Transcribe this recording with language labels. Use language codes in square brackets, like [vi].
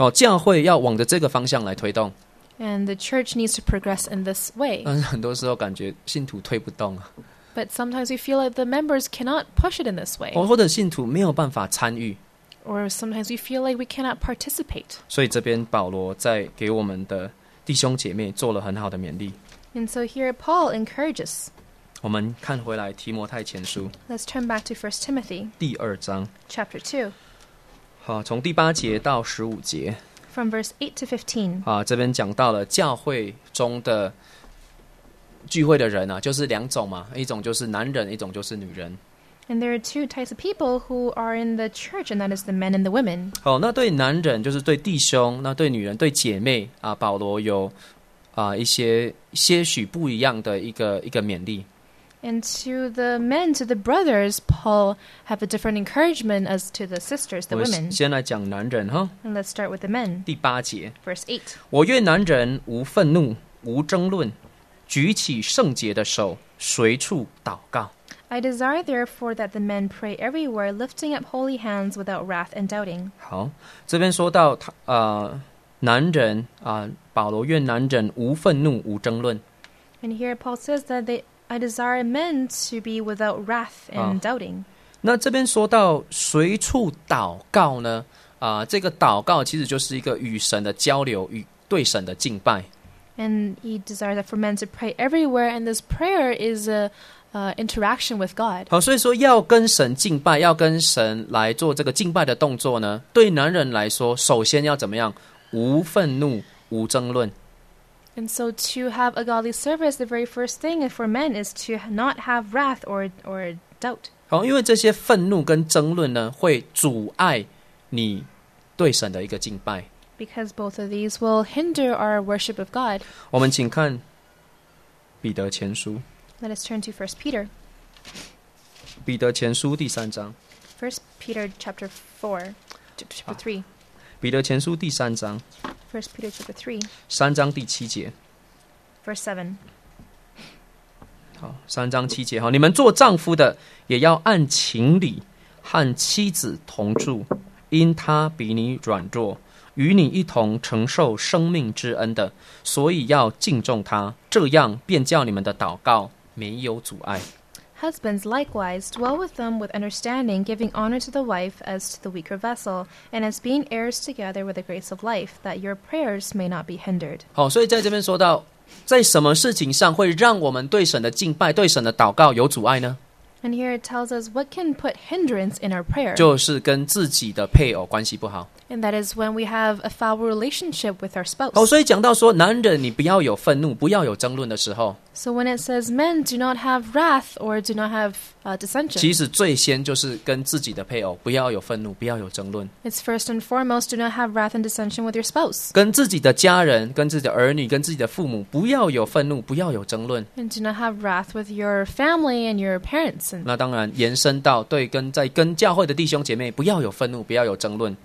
[zh] 哦，教会要往着这个方向来推动。 [en] And the church needs to progress in this way. [zh] 但是很多时候感觉信徒推不动啊。 [en] But sometimes we feel like the members cannot push it in this way. [zh] 哦，或者信徒没有办法参与。 [en] Or sometimes we feel like we cannot participate. [zh] 所以这边保罗在给我们的弟兄姐妹做了很好的勉励。 [en] And so here Paul encourages. [zh] 我们看回来提摩太前书。 [en] Let's turn back to 1 Timothy. [zh] 第二章。 [en] Chapter 2. [zh] 好，从第八节到十五节。 [en] From verse 8 to 15. [zh] 好，这边讲到了教会中的聚会的人啊，就是两种嘛，一种就是男人，一种就是女人。 [en] And there are two types of people who are in the church, and that is the men and the women. [zh] 好，那对男人就是对弟兄，那对女人对姐妹啊，保罗有啊一些些许不一样的一个勉励。 [en] And to the men, to the brothers, Paul have a different encouragement as to the sisters, the women. [zh] 先来讲男人哈。 [en] And let's start with the men. [zh] 第八节。 [en] Verse 8. [zh] 我愿男人无愤怒，无争论，举起圣洁的手，随处祷告。 [en] I desire therefore that the men pray everywhere, lifting up holy hands without wrath and doubting. [zh] 好，这边说到男人啊，保罗愿男人无愤怒，无争论。 [en] And here Paul says that I desire men to be without wrath and doubting. [zh] 那这边说到随处祷告呢？这个祷告其实就是一个与神的交流，与对神的敬拜。 [en] And he desires that for men to pray everywhere, and this prayer is a interaction with God. [zh] 好，所以说要跟神敬拜，要跟神来做这个敬拜的动作呢，对男人来说，首先要怎么样？无愤怒，无争论。 [en] And so to have a godly service, the very first thing for men is to not have wrath or doubt. [zh] 好，因为这些愤怒跟争论呢，会阻碍你对神的一个敬拜。 [en] Because both of these will hinder our worship of God. [zh] 我们请看彼得前书。 [en] Let us turn to 1 Peter. [zh] 彼得前书第三章。 [en] First Peter chapter 3. [zh] 彼得前书第三章。 [en] First Peter chapter 3. [zh] 三章第七节。 [en] Verse 7. [zh] 好，三章七节，好，你们做丈夫的也要按情理和妻子同住，因他比你软弱，与你一同承受生命之恩的，所以要敬重他，这样便叫你们的祷告没有阻碍。 [en] Husbands, likewise, dwell with them with understanding, giving honor to the wife as to the weaker vessel, and as being heirs together with the grace of life, that your prayers may not be hindered. [zh] 好，所以在这边说到，在什么事情上会让我们对神的敬拜、对神的祷告有阻碍呢？ [en] And here it tells us what can put hindrance in our prayer. [zh] 就是跟自己的配偶关系不好。 [en] And that is when we have a foul relationship with our spouse. [zh] 好，所以讲到说，男人你不要有愤怒，不要有争论的时候。 [en] So when it says men do not have wrath or do not have dissension. [zh] 其实最先就是跟自己的配偶不要有愤怒，不要有争论。 [en] It's first and foremost do not have wrath and dissension with your spouse. [zh] 跟自己的家人、跟自己的儿女、跟自己的父母，不要有愤怒，不要有争论。 [en] And do not have wrath with your family and your parents. [zh] 那当然延伸到对跟在跟教会的弟兄姐妹不要有愤怒，不要有争论。